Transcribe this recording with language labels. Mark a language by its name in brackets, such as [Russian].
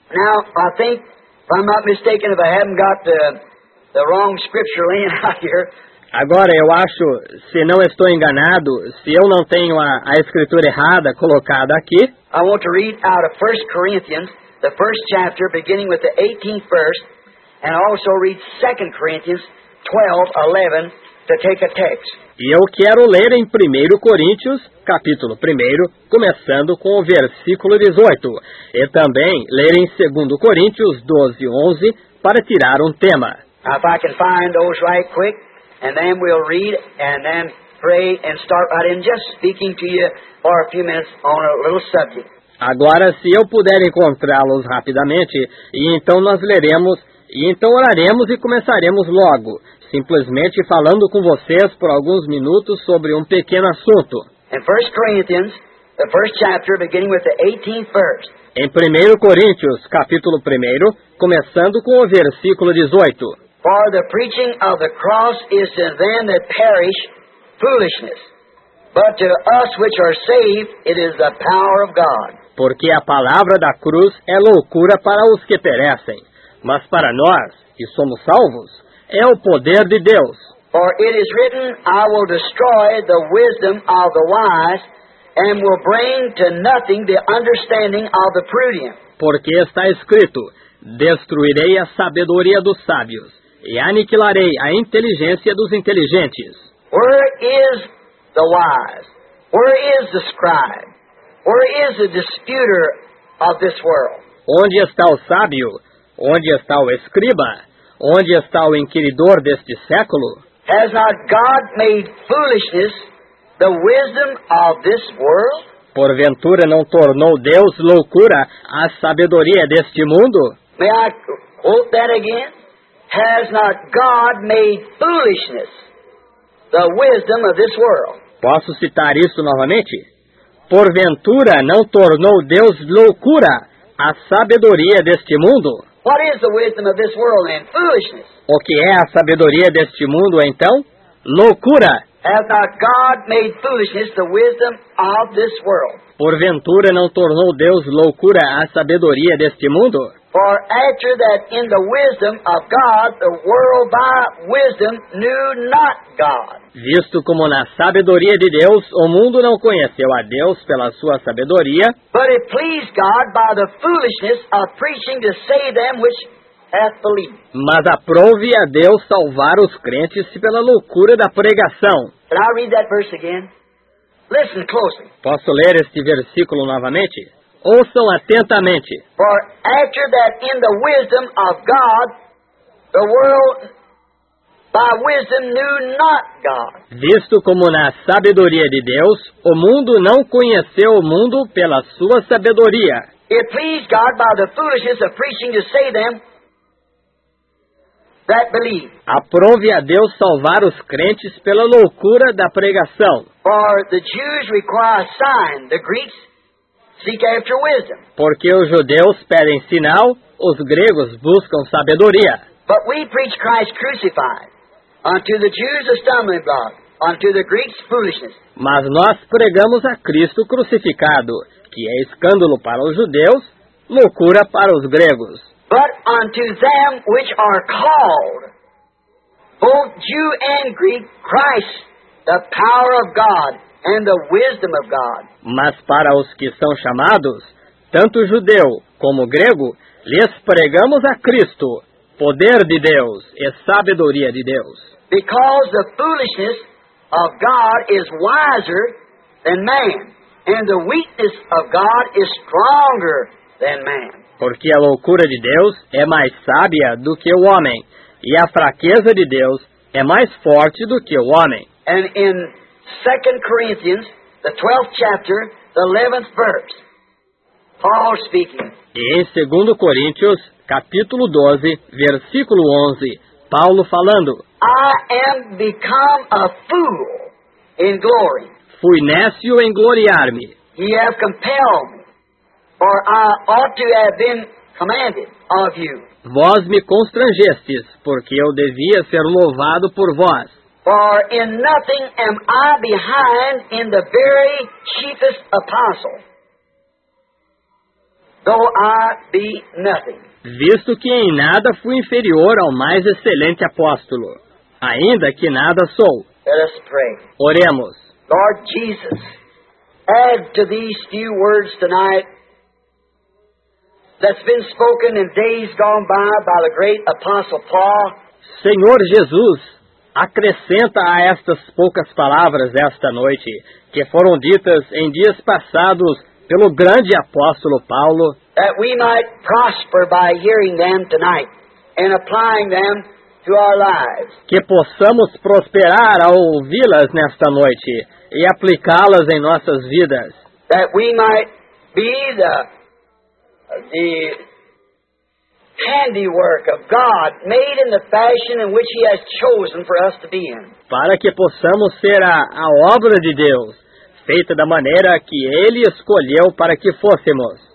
[English] Now, I think, if I'm not mistaken, if I haven't got the wrong scripture laying out here. [Portuguese] Agora, eu acho, se não estou enganado, se eu não tenho a escritura errada colocada aqui. [English] I want to read out of 1 Corinthians, the first chapter, beginning with the 18th verse, and also read 2 Corinthians 12, 11, to take a text. [Portuguese] E eu quero ler em 1 Coríntios, capítulo 1, começando com o versículo 18. E também ler em 2 Coríntios 12, 11, para tirar um tema. [English] If I can find those right quick, and then we'll read, and then pray, and start right in just speaking to you for a few minutes on a little subject. [Portuguese] Agora, se eu puder encontrá-los rapidamente, e então nós leremos, e então oraremos e começaremos logo. Simplesmente falando com vocês por alguns minutos sobre um pequeno assunto. [English] In 1 Corinthians, the first chapter, beginning with the 18th verse. [Portuguese] Em 1 Coríntios, capítulo 1, começando com o versículo 18. [English] For the preaching of the cross is to them that perish foolishness, but to us which are saved, it is the power of God. [Portuguese] Porque a palavra da cruz é loucura para os que perecem, mas para nós, que somos salvos, é o poder de Deus. [English] For it is written, I will destroy the wisdom of the wise and will bring to nothing the understanding of the prudent. [Portuguese] Porque está escrito, destruirei a sabedoria dos sábios e aniquilarei a inteligência dos inteligentes. [English] Where is the wise? Where is the scribe? Where is the disputer of this world? [Portuguese] Onde está o sábio? Onde está o escriba? Onde está o inquiridor deste século? [English] Has not God made foolishness the wisdom of this world? [Portuguese] Porventura não tornou Deus loucura a sabedoria deste mundo? [English] May I quote that again? Has not God made foolishness the wisdom of this world? [Portuguese] Posso citar isso novamente? Porventura não tornou Deus loucura a sabedoria deste mundo? [English] What is the wisdom of this world then? Foolishness. [Portuguese] O que é a sabedoria deste mundo então? Loucura. [English] Has not God made foolishness the wisdom of this world? [Portuguese] Porventura não tornou Deus loucura a sabedoria deste mundo? [English] For after that in the wisdom of God, the world by wisdom knew not God. [Portuguese] Visto como na sabedoria de Deus, o mundo não conheceu a Deus pela sua sabedoria. [English] But it pleased God by the foolishness of preaching to save them which hath believed. [Portuguese] Mas aprouve a Deus salvar os crentes pela loucura da pregação. [English] Can I read that verse again? Listen closely. [Portuguese] Posso ler este versículo novamente? Ouçam atentamente. [English] For after that in the wisdom of God, the world by wisdom knew not God. [Portuguese] Visto como na sabedoria de Deus, o mundo não conheceu o mundo pela sua sabedoria. [English] It pleased God by the foolishness of preaching to save them that believe. [Portuguese] Aprove a Deus salvar os crentes pela loucura da pregação. [English] For the Jews require a sign, the Greeks seek after wisdom. [Portuguese] Porque os judeus pedem sinal, os gregos buscam sabedoria. [English] But we preach Christ crucified. Unto the Jews a stumbling block, unto the Greeks foolishness. [Portuguese] Mas nós pregamos a Cristo crucificado, que é escândalo para os judeus, loucura para os gregos. [English] But unto them which are called, both Jew and Greek, Christ, the power of God and the wisdom of God. [Portuguese] Mas para os que são chamados, tanto judeu como grego, lhes pregamos a Cristo, poder de Deus e sabedoria de Deus. [English] Because the foolishness of God is wiser than man, and the weakness of God is stronger than man. [Portuguese] Porque a loucura de Deus é mais sábia do que o homem, e a fraqueza de Deus é mais forte do que o homem. [English] And in 2 Corinthians, the 12th chapter, the 11th verse, Paul speaking. [Portuguese] E em 2 Coríntios, capítulo 12, versículo 11, Paulo falando. [English] I am become a fool in glory. [Portuguese] Fui nécio em gloriar-me. [English] He have compelled me, for I ought to have been commanded of you. [Portuguese] Vós me constrangestes, porque eu devia ser louvado por vós. [English] For in nothing am I behind in the very chiefest apostle, though I be nothing. [Portuguese] Visto que em nada fui inferior ao mais excelente apóstolo, ainda que nada sou. [English] Let us pray. [Portuguese] Oremos. [English] Lord Jesus, add to these few words tonight that's been spoken in days gone by the great apostle Paul. [Portuguese] Senhor Jesus, acrescenta a estas poucas palavras esta noite que foram ditas em dias passados pelo grande apóstolo Paulo, [English] that we might prosper by hearing them tonight and applying them to our lives. [Portuguese] Que possamos prosperar ao ouvi-las nesta noite e aplicá-las em nossas vidas. [English] That we might be the handiwork of God made in the fashion in which he has chosen for us to be in. [Portuguese] Para que possamos ser a obra de Deus, feita da maneira que ele escolheu para que fôssemos.